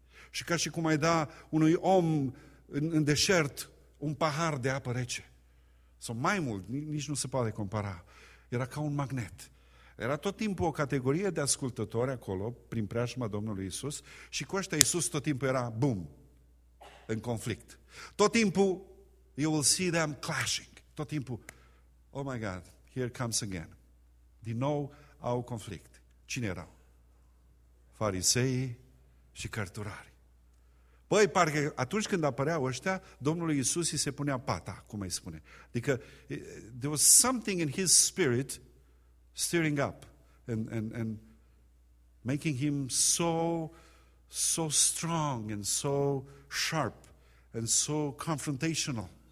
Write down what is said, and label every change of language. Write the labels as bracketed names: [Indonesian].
[Romanian] Și ca și cum ai da unui om în deșert un pahar de apă rece. Sau mai mult, nici nu se poate compara. Era ca un magnet. Era tot timpul o categorie de ascultători acolo, prin preajma Domnului Iisus, și cu ăștia Iisus tot timpul era, bum, în conflict. Tot timpul, [English] you will see them clashing. Tot timpul, oh my God, here comes again. [Romanian] Din nou au conflict. Cine erau? Fariseii și cărturari. Păi, parcă atunci când apăreau ăștia, Domnul Iisus îi se punea pata, cum îi spune. Adică, [English] there was something in his spirit stirring up and making him so strong and so sharp and so confrontational.